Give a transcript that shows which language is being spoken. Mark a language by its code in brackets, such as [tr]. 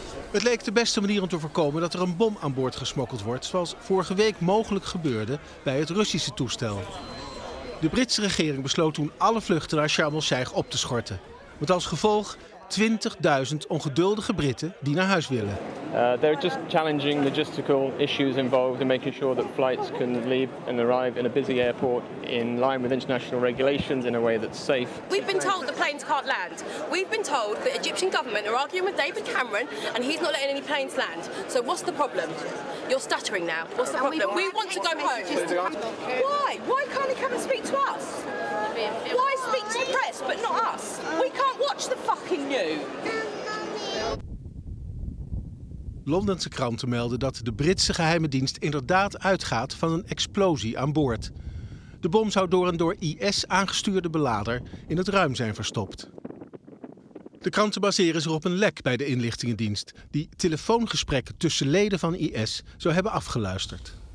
[nl] Het leek de beste manier om te voorkomen dat er een bom aan boord gesmokkeld wordt, zoals vorige week mogelijk gebeurde bij het Russische toestel. De Britse regering besloot toen alle vluchten naar Sharm el-Sheikh op te schorten. Met als gevolg 20.000 ongeduldige Britten die naar huis willen. [en] They're just challenging logistical issues involved in making sure that flights can leave and arrive in a busy airport in line with international regulations in a way that's safe. We've been told the planes can't land. We've been told the Egyptian government are arguing with David Cameron and he's not letting any planes land. So what's the problem? You're stuttering now. What's the problem? We want to go home. Why? Why can't he come and speak to us? Why speak to the press but not us? We can't watch the fucking news. [nl] Londense kranten melden dat de Britse geheime dienst inderdaad uitgaat van een explosie aan boord. De bom zou door een door IS aangestuurde belader in het ruim zijn verstopt. De kranten baseren zich op een lek bij de inlichtingendienst die telefoongesprekken tussen leden van IS zou hebben afgeluisterd.